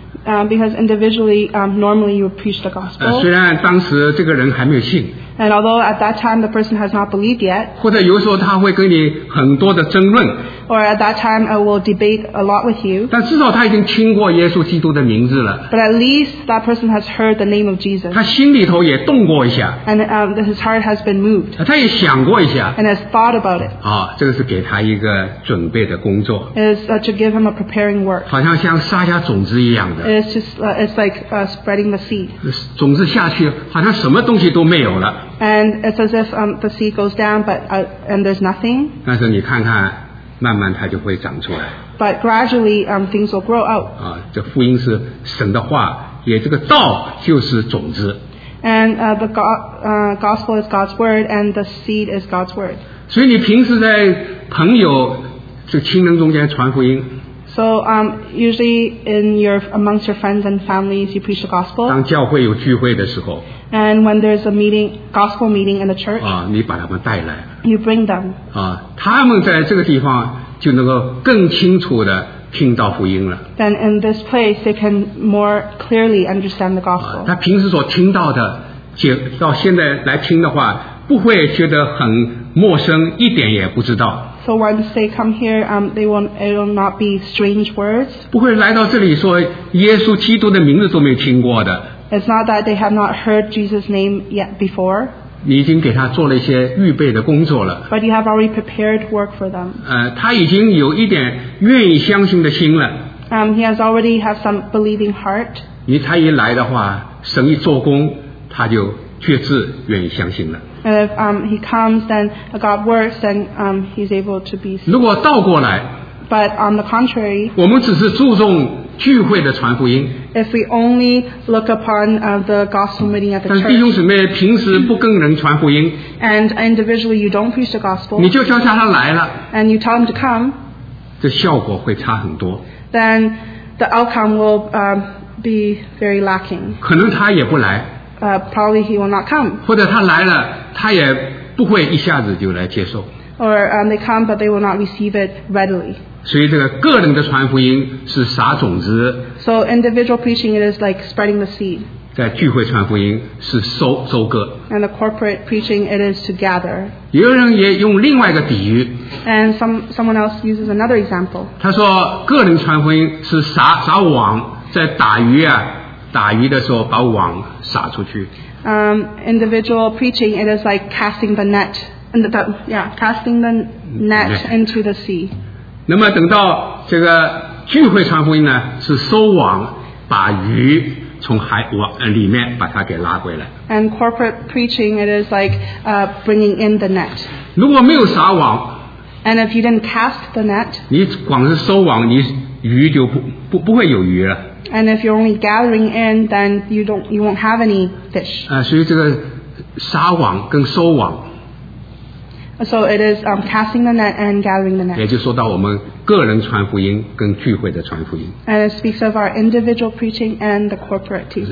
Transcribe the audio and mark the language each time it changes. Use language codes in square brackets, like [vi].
[en] Because individually, normally you would preach the gospel. [zh] 虽然当时这个人还没有信。 [en] And although at that time the person has not believed yet. [zh] 或者有时候他会跟你很多的争论。 [en] Or at that time I will debate a lot with you. [zh] 但至少他已经听过耶稣基督的名字了。 [en] But at least that person has heard the name of Jesus. [zh] 他心里头也动过一下。 [en] And his heart has been moved. [zh] 他也想过一下。 [en] And has thought about it. [zh] 这个是给他一个准备的工作。 [en] It's to give him a preparing work. [zh] 好像像撒下种子一样的。 [en] It's just it's like spreading the seed. [zh] 种子下去，好像什么东西都没有了。 [en] And it's as if the seed goes down, but and there's nothing. [zh] 但是你看看。慢慢它就会长出来。 [en] But gradually, things will grow out. [zh] 这福音是神的话，也这个道就是种子。 [en] And gospel is God's word, and the seed is God's word. [zh] 所以你平时在朋友、这亲人中间传福音。 [en] So usually in your amongst your friends and families, you preach the gospel. [zh] 当教会有聚会的时候。 [en] And when there's a meeting, gospel meeting in the church. [zh] 你把他们带来。 [en] You bring them. [zh] 他们在这个地方就能够更清楚地听到福音了。 [en] Then in this place, they can more clearly understand the gospel. [zh] 他平时所听到的，到现在来听的话，不会觉得很陌生，一点也不知道。 [en] So once they come here, it will not be strange words. [zh] 不会来到这里说耶稣基督的名字都没听过的。 [en] It's not that they have not heard Jesus' name yet before. [zh] 你已经给他做了一些预备的工作了。 [en] But you have already prepared work for them. [zh] 他已经有一点愿意相信的心了。 [en] He has already have some believing heart. [zh] 你他一来的话，神一做工，他就确实愿意相信了。 [en] And if he comes, then God works, then he's able to be. [zh] 如果倒过来。 [en] But on the contrary, [zh] 我们只是注重聚会的传福音。 [en] If we only look upon the gospel meeting at the church, [zh] 但弟兄姊妹平时不跟人传福音。 [en] And individually you don't preach the gospel, [zh] 你就叫他来了。 [en] And you tell him to come, [zh] 这效果会差很多。 [en] Then the outcome will be very lacking. [zh] 可能他也不来。 [en] Probably he will not come. [zh] 或者他来了，他也不会一下子就来接受。 [en] Or they come, but they will not receive it readily. [zh] 所以这个个人的传福音是撒种子。 [en] So individual preaching it is like spreading the seed. [zh] 在聚会传福音是收割。 [en] And the corporate preaching it is to gather. [zh] 有人也用另外一个比喻。 [en] And someone else uses another example. [zh] 他说个人传福音是撒网，在打鱼啊，打鱼的时候把网撒出去。 [en] Individual preaching it is like casting the net. Casting the net into the sea. [zh] 那么等到这个聚会传福音呢，是收网，把鱼从海网里面把它给拉回来。 [en] And corporate preaching, it is like bringing in the net. [zh] 如果没有撒网 [en] ，And if you didn't cast the net, [zh] 你光是收网，你鱼就不会有鱼了。 [en] And if you're only gathering in, then you won't have any fish. [zh] 所以这个撒网跟收网。 [en] So it is casting the net and gathering the net. [zh] 也就说到我们个人传福音跟聚会的传福音。 [en] And it speaks of our individual preaching and the corporate teaching.